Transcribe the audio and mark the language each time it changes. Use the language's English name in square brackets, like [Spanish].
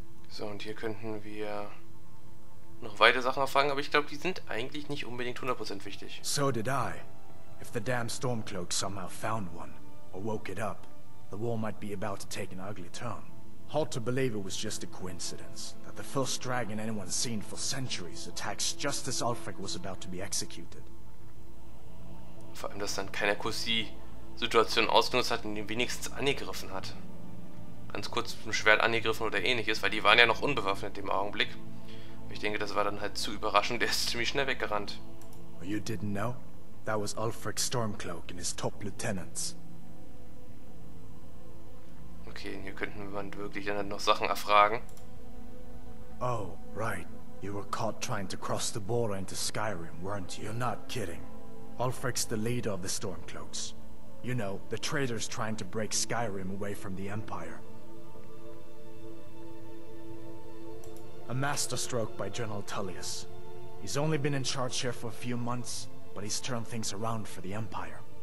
[German] So, und hier könnten wir noch weitere Sachen erfahren, aber ich glaube, die sind eigentlich nicht unbedingt 100% wichtig. [English] So did I. If the damn Stormcloak somehow found one, or woke it up, the war might be about to take an ugly turn. Hard to believe it was just a coincidence that the first dragon anyone's seen for centuries attacks just as Ulfric was about to be executed. [German] Vor allem, dass dann keiner Kursi Situation ausgenutzt hat und ihn wenigstens angegriffen hat. Ganz kurz mit dem Schwert angegriffen oder ähnliches, weil die waren ja noch unbewaffnet im Augenblick. Aber ich denke, das war dann halt zu überraschend, der ist ziemlich schnell weggerannt. [English] You didn't know? That was Ulfric Stormcloak and his top lieutenants. [German] Okay, hier könnten wir dann wirklich dann noch Sachen erfragen. [English] Oh, right. You were caught trying to cross the border into Skyrim, weren't you? You're not kidding. Ulfric's the leader of the Stormcloaks. You know, the traitors trying to break Skyrim away from the Empire. A masterstroke by General Tullius. He's only been in charge here for a few months, but he's turned things around for the Empire.